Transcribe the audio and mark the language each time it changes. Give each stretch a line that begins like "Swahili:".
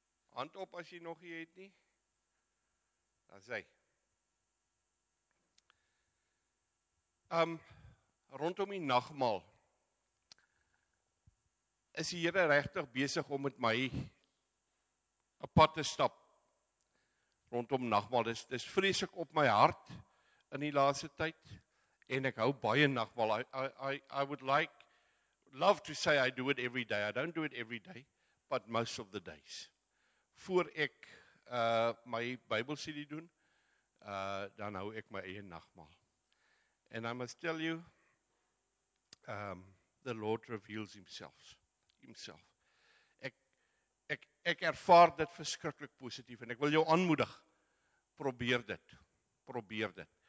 Afrikaans: Hand op as jy nog nie het nie. Dan sê rondom die nagmaal is die Here regtig besig om met my 'n pad te stap rondom nagmaal. Dis vreeslik op my hart in die laaste tyd en ek hou baie nagmaal.
English: I would love to say I do it every day. I don't do it every day, but most of the days.
Afrikaans: Voor ek my Bybelstudie doen, dan hou ek my eie nagmaal.
English: And I must tell you, the Lord reveals himself.
Afrikaans: Ek ervaar dit verskriklik positief en ek wil jou aanmoedig, probeer dit.